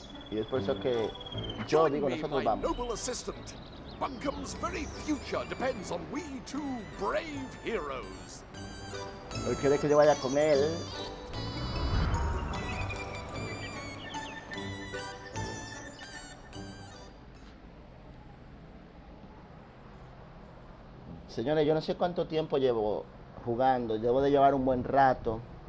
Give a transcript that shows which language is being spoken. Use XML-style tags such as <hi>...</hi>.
<es>Y es por eso que yo digo, nosotros vamos.</es> <en>Bunkum's very future depends on we two brave heroes.</en> <es>Él quiere que yo vaya con él. Señores, yo no sé cuánto tiempo llevo jugando. Llevo de llevar un buen rato.</es>